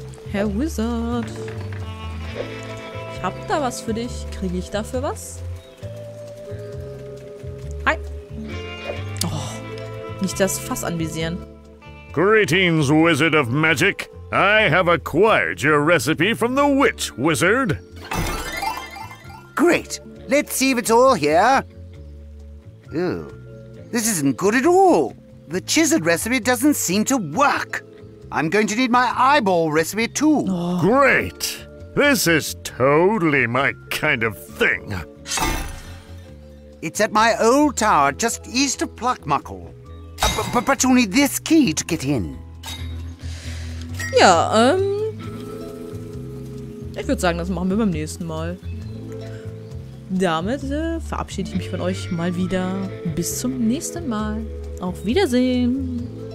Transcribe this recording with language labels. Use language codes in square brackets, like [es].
[de] Herr Wizard. Ich hab da was für dich. Kriege ich dafür was? Nicht das Fass anvisieren. [en] Greetings, Wizard of Magic. I have acquired your recipe from the Witch Wizard. Great. Let's see if it's all here. Ooh, this isn't good at all. The chiseled recipe doesn't seem to work. I'm going to need my eyeball recipe too. Oh. Great. This is totally my kind of thing. It's at my old tower just east of Pluckmuckle. But you need this key to get in. [de] Ja, ich würde sagen, das machen wir beim nächsten Mal. Damit verabschiede ich mich von euch mal wieder. Bis zum nächsten Mal. Auf Wiedersehen.